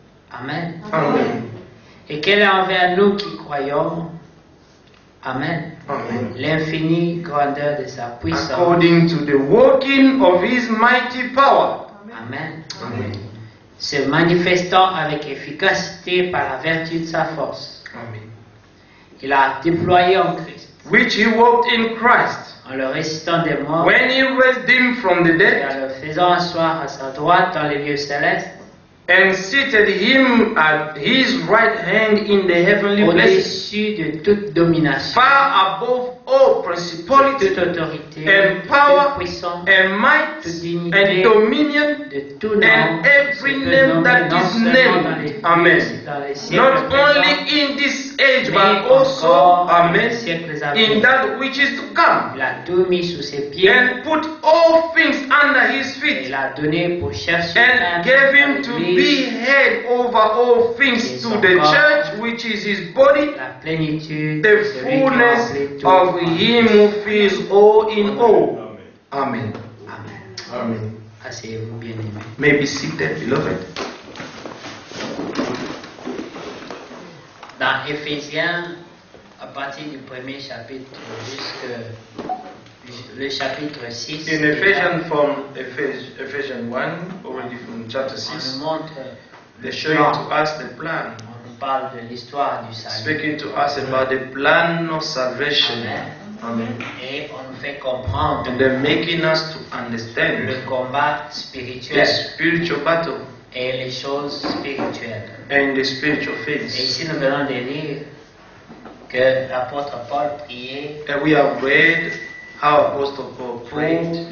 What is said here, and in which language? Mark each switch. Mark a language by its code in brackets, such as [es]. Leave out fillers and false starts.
[fr] Amen. Amen. Et quel est envers nous qui croyons? Amen. Amen. L'infinie grandeur de sa puissance. [en] According to the working of his mighty power. Amen. Amen. [fr] Se manifestant avec efficacité par la vertu de sa force. Amen. Il a déployé en Christ. [en] Which he worked in Christ. [fr] En le ressuscitant des morts. [en] When he raised him from the dead. [fr] Et en le faisant asseoir à sa droite dans les lieux célestes. [en] And seated him at his right hand in the heavenly place, far above all principality, [fr] toute autorité, [en] and power, [fr] toute puissance, [en] and might, [fr] toute dignité, [en] and dominion, [fr] de tout nom, [en] and every name that is named. Amen. Not only in this age, but also, amen, in that which is to come. [fr] Il a tout mis sous ses pieds, [en] and put all things under his feet. [fr] Il a donné pour chercher [en] and gave him to [fr] lui. [en] Be head over all things to the church, which is his body, [fr] la plénitude, [en] the fullness of him who fills all in all. Amen. Amen. Amen. [fr] Asseyez-vous bien aimé. [en] May be seated, beloved. [fr] Dans Ephésiens, à partir du premier chapitre jusqu'à le chapitre 6. [en] In Ephesians, from Ephesians 1, already from chapter 6, they show to us the plan. [fr] On parle de l'histoire du salut. [en] Speaking to us about the plan of salvation. Amen. Amen. [fr] Et on nous fait comprendre. [en] And they're making us to understand [fr] le combat spirituel. [en] The spiritual battle. [fr] Et les choses spirituelles. [en] And the spiritual things. [fr] Et ici nous venons de lire que l'apôtre Paul priait. [en] And we have read how Apostle Paul prayed